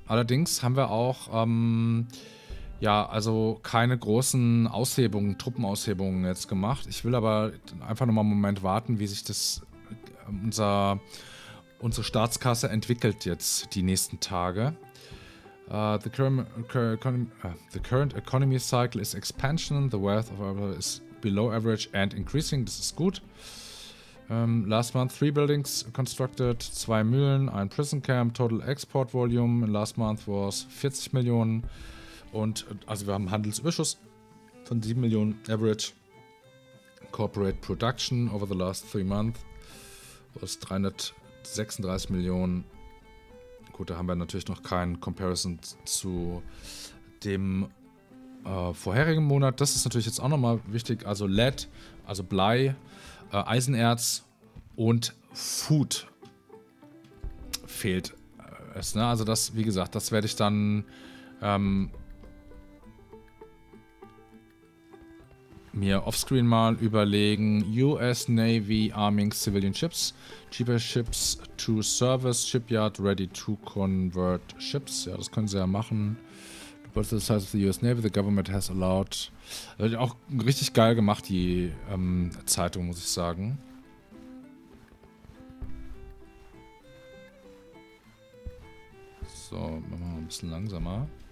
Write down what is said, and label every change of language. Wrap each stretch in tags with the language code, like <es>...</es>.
<de>Allerdings haben wir auch ja, also keine großen Aushebungen, Truppenaushebungen jetzt gemacht. Ich will aber einfach nochmal einen Moment warten, wie sich das unsere Staatskasse entwickelt jetzt die nächsten Tage.</de> <en>The current economy cycle is expansion. The wealth of our is below average and increasing.</en> <de>Das ist gut.</de> <en>Last month 3 buildings constructed, 2 Mühlen, 1 prison camp. Total export volume in last month was 40 Millionen.</en> <de>Und also wir haben einen Handelsüberschuss von 7 Millionen Average.</de> <en>Corporate Production over the last 3 months was 336 Millionen.</en> <de>Gut, da haben wir natürlich noch keinen Comparison zu dem vorherigen Monat. Das ist natürlich jetzt auch nochmal wichtig. Also Lead, also Blei, Eisenerz und Food fehlt es. Ne? Also das, wie gesagt, das werde ich dann mir offscreen mal überlegen.</de> <en>US Navy arming civilian ships. Cheaper ships to service. Shipyard ready to convert ships.</en> <de>Ja, das können sie ja machen.</de> <en>But the size of the US Navy, the government has allowed.</en> <de>Wird auch richtig geil gemacht, die Zeitung, muss ich sagen. So, machen wir mal ein bisschen langsamer.</de>